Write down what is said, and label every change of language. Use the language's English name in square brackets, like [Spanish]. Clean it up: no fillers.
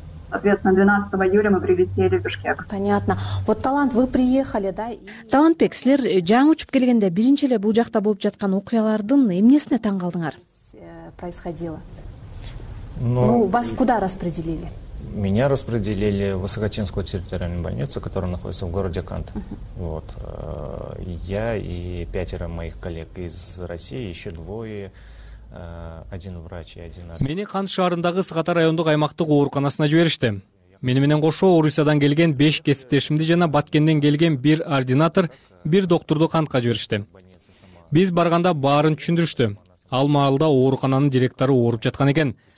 [Russian] Соответственно, 12 июля мы прилетели в Бишкек. Понятно. Вот Талант, вы приехали, да? [Kyrgyz] Талантбек, силер жаңы учуп келгенде биринчи эле бул жакта болуп жаткан окуялардын эмнесине таң калдыңар? [Russian] Происходило. Вас куда распределили? Меня распределили в Высокотинскую территориальную больницу, которая находится в городе Кант. Вот. Я и 5 моих коллег из России, еще 2, один врач и один... [Kyrgyz] Мени Кант шаарындагы Сыгатар райондук аймактык ооруканасына жиберишти. Мени менен кошо Орусиядан келген 5 кесиптешимди жана Баткенден келген 1 ординатор, 1 доктурду Кантка жиберишти. Биз барганда баарын түшүндүрүштү. Ал маалда оорукананын директору ооруп жаткан экен.